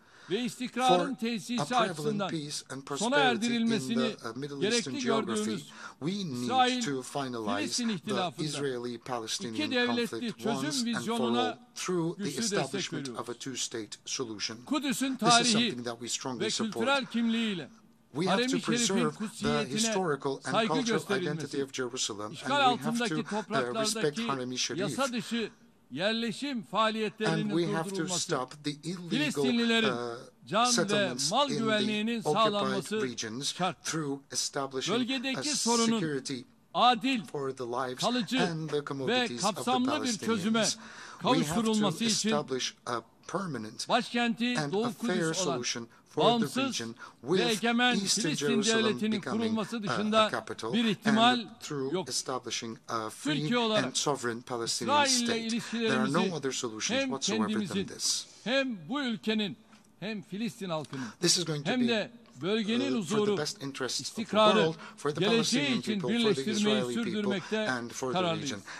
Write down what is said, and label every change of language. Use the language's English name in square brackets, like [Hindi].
[Turkish] ve istikrarın tesisi açısından sona erdirilmesini gerekli gördüğümüz İsrail-Filistin ihtilafında iki devletli çözüm vizyonuna güçlü destek veriyoruz. Kudüs'ün tarihi ve kültürel kimliğiyle [English] we have to preserve the historical and cultural identity of Jerusalem, and we have to respect Harami Sharif. And we have to stop the illegal settlements in the occupied regions through establishing a security for the lives and the commodities of the Palestinians. We have to establish a permanent and a fair solution [Turkish] bağımsız ve egemen Filistin devletinin kurulması dışında bir ihtimal yok. Türkiye olarak İsrail ile ilişkilerimizi hem kendimizin hem bu ülkenin hem Filistin halkının hem de bölgenin huzuru, istikrarı, geleceği için birleştirmeyi sürdürmekte kararlıyız.